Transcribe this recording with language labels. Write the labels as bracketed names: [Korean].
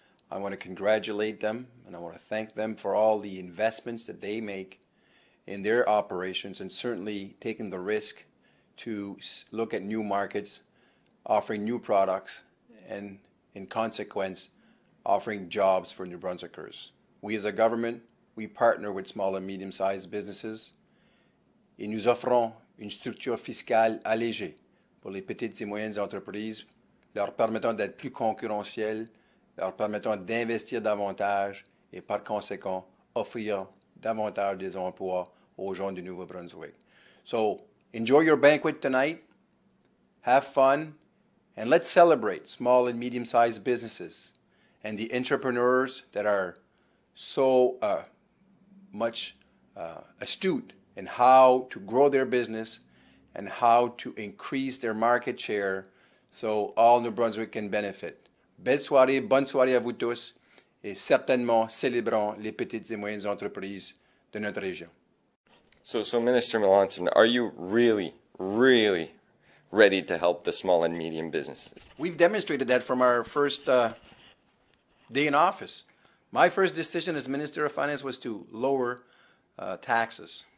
[English] I want to congratulate them and I want to thank them for all the investments that they make in their operations and certainly taking the risk to look at new markets, offering new products, and in consequence, offering jobs for New Brunswickers. We as a government, we partner with small and medium-sized businesses. [French] Et nous offrons une structure fiscale allégée pour les petites et moyennes entreprises, leur permettant d'être plus concurrentielles, leur permettant d'investir davantage et par conséquent, offrir davantage des emplois aux gens du Nouveau-Brunswick. [English] So, enjoy your banquet tonight, have fun, and let's celebrate small and medium-sized businesses and the entrepreneurs that are so much astute and how to grow their business and how to increase their market share so all New Brunswick can benefit. [French] Belle soirée, bonne soirée à vous tous et certainement célébrons les petites et moyennes entreprises de notre région. [English] So Minister Melanson, are you really, really ready to help the small and medium businesses? We've demonstrated that from our first day in office. My first decision as Minister of Finance was to lower taxes.